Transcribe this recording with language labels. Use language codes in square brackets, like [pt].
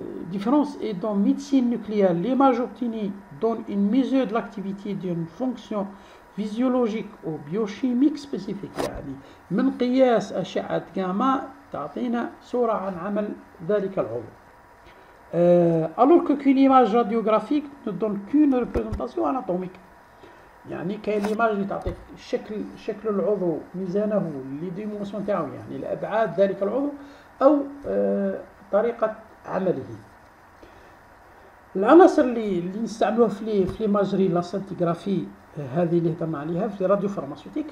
[fr] Différence est dans médecine nucléaire. L'image obtenue donne une mesure de l'activité d'une fonction physiologique ou biochimique spécifique. [ar] يعني من قياس أشعة جاما تعطينا صورة عن عمل ذلك العضو. [fr] Alors que qu'une image radiographique ne donne qu'une représentation anatomique. [ar] يعني كاين ليماج اللي تعطيك شكل العضو ميزانه لي ديمونسيون تاعو يعني الابعاد ذلك العضو او طريقة عمله. العناصر اللي نستعملوها في ليماجري لا سنتيغرافي هذه اللي هضرنا عليها في راديو فارماسيوتيك.